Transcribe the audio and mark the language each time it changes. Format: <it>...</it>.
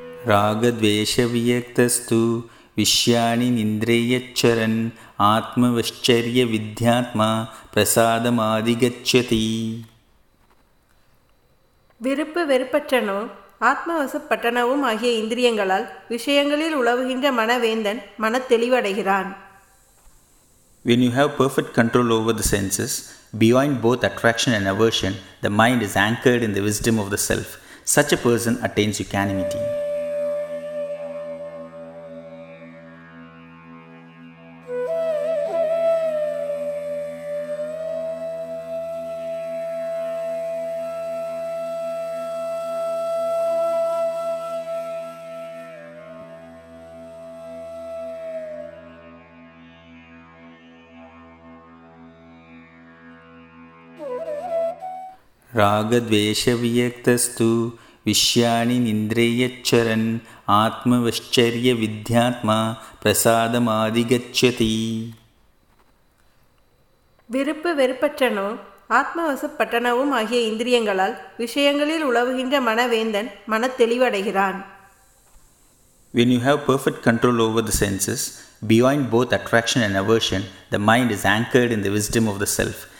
<sa>ராகத்வேஷவியக்தஸ்து விஷ்யாணி நிந்திரையச்சரன் ஆத்மவச்சரிய வித்யாத்மா பிரசாதமாதிகச்சதி.</sa> <ta>விருப்பு வெறுப்பற்றனும் ஆத்மவசப்பட்டனவும் ஆகிய இந்திரியங்களால் விஷயங்களில் உழவுகின்ற மனவேந்தன் மனத்தெளிவடைகிறான்.</ta> <en>When you have perfect control over the senses, beyond both attraction and aversion, the mind is anchored in the wisdom of the self. Such a person attains equanimity.</en> <sa>ராகத்வேஷவியக்தஸ்து விஷ்யாணி நிந்திரையச்சரன் ஆத்மவச்சரிய வித்யாத்மா பிரசாதமாதிகச்சதி.</sa> <ta>விருப்பு வெறுப்பற்றனும் ஆத்மவசப்பட்டனவும் ஆகிய இந்திரியங்களால் விஷயங்களில் உழவுகின்ற மனவேந்தன் மனத்தெளிவடைகிறான்.</ta> <en>When you have perfect control over the senses, beyond both attraction and aversion, the mind is anchored in the wisdom of the self.</en>